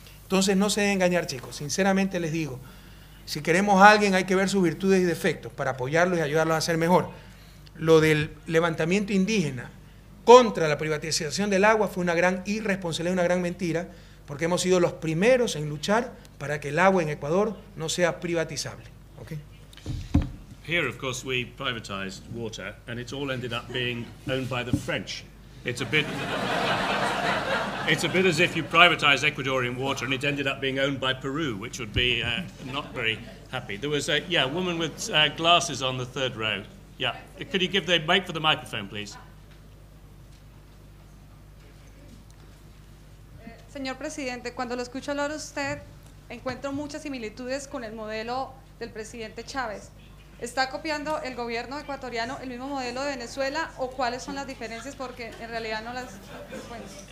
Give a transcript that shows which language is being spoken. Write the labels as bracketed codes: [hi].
[es] Entonces, no se deben engañar, chicos. Sinceramente les digo, si queremos a alguien, hay que ver sus virtudes y defectos para apoyarlos y ayudarlos a ser mejor. Lo del levantamiento indígena contra la privatización del agua fue una gran irresponsabilidad, una gran mentira, porque hemos sido los primeros en luchar para que el agua en Ecuador no sea privatizable. [en] Okay. Here, of course, we privatized water, and it's all ended up being owned by the French. It's a bit as if you privatized Ecuadorian water, and it ended up being owned by Peru, which would be not very happy. There was a woman with glasses on the third row. Yeah, could you give the mic for the microphone, please? [es] Señor presidente, cuando lo escucho hablar a usted, encuentro muchas similitudes con el modelo del presidente Chávez. ¿Está copiando el gobierno ecuatoriano el mismo modelo de Venezuela o cuáles son las diferencias? Porque en realidad no las encuentro.